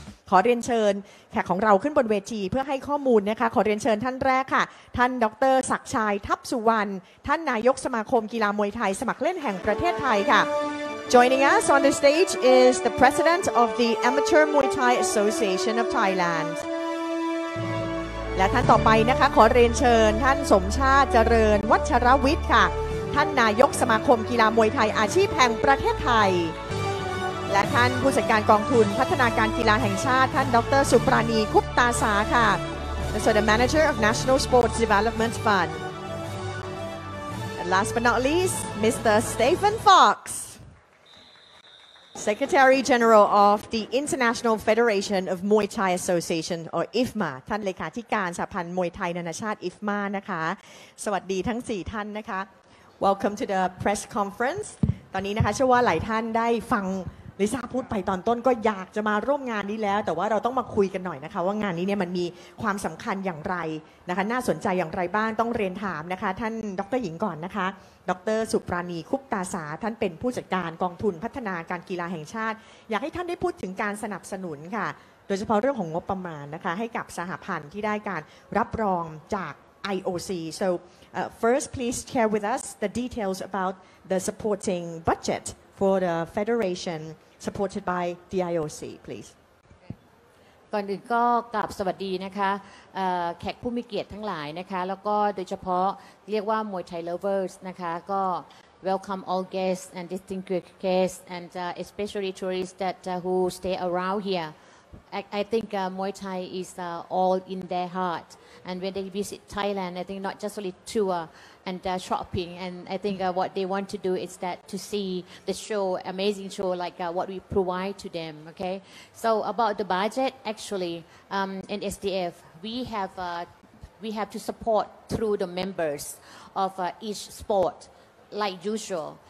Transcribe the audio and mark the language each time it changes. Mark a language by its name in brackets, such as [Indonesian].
[Thai] ขอเรียนเชิญแขกของเราขึ้นบนเวทีเพื่อให้ข้อมูลนะคะขอเรียนเชิญท่านแรกค่ะท่านดร. ศักดิ์ชายทับสุวรรณท่านนายกสมาคมกีฬามวยไทยสมัครเล่นแห่งประเทศไทยค่ะ [English] Joining us on the stage is the president of the Amateur Muay Thai Association of Thailand [Thai] และท่านต่อไปนะคะขอเรียนเชิญท่านสมชาติเจริญวัชรวิทย์ค่ะท่านนายกสมาคมกีฬามวยไทยอาชีพแห่งประเทศไทยและท่านผู้จัดการกองทุนพัฒนาการกีฬาแห่งชาติท่านดร. สุปราณีคุปตาสาค่ะ [English] The sort of manager of National Sports Development Fund And last but not least Mr. Stephen Fox Secretary General of the International Federation of Muay Thai Association or IFMA [Thai] ท่านเลขาธิการสหพันธ์มวยไทยนานาชาติ IFMA นะคะสวัสดีทั้ง4ท่านนะคะ [English] Welcome to the press conference [Thai] ตอนนี้นะคะเชื่อว่าหลายท่านได้ฟังลิซ่าพูดไปตอนต้นก็อยากจะมาร่วมงานนี้แล้วแต่ว่าเราต้องมาคุยกันหน่อยนะคะว่างานนี้เนี่ยมันมีความสำคัญอย่างไรนะคะน่าสนใจอย่างไรบ้างต้องเรียนถามนะคะท่านดร.หญิงก่อนนะคะดร. สุปราณีคุปตาสาท่านเป็นผู้จัดการกองทุนพัฒนาการกีฬาแห่งชาติอยากให้ท่านได้พูดถึงการสนับสนุนค่ะโดยเฉพาะเรื่องของงบประมาณนะคะให้กับสหพันธ์ที่ได้การรับรองจาก IOC so [English] first please share with us the details about the supporting budget for the federationSupported by the IOC, please. [Thai] ก่อนอื่นก็กราบสวัสดีนะคะแขกผู้มีเกียรติทั้งหลายนะคะแล้วก็โดยเฉพาะเรียกว่ามวยไทย lovers นะคะก็ [English] welcome all guests and distinguished guests and especially tourists that who stay around here. I think Muay Thai is all in their heart. And when they visit Thailand, I think not just only tour. And shopping, and I think what they want to do is that to see the show, amazing show like what we provide to them. Okay, so about the budget, actually, in SDF, we have to support through the members of each sport, like usual.